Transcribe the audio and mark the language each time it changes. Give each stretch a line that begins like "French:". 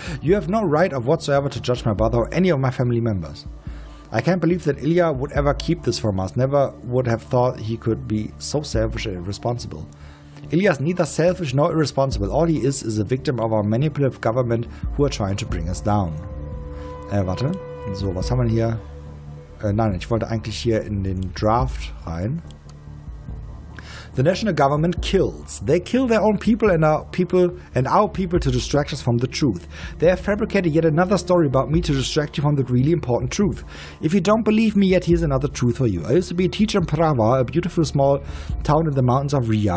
English: You have no right of whatsoever to judge my brother or any of my family members. I can't believe that Ilya would ever keep this from us. Never would have thought he could be so selfish and irresponsible. Ilya is neither selfish nor irresponsible. All he is a victim of our manipulative government who are trying to bring us down.
German: Warte. So, was haben wir hier? Nein, ich wollte eigentlich hier in den Draft rein.
English: The national government kills. They kill their own people and our people to distract us from the truth. They have fabricated yet another story about me to distract you from the really important truth. If you don't believe me yet, here's another truth for you. I used to be a teacher in Prava, a beautiful small town in the mountains of Ria.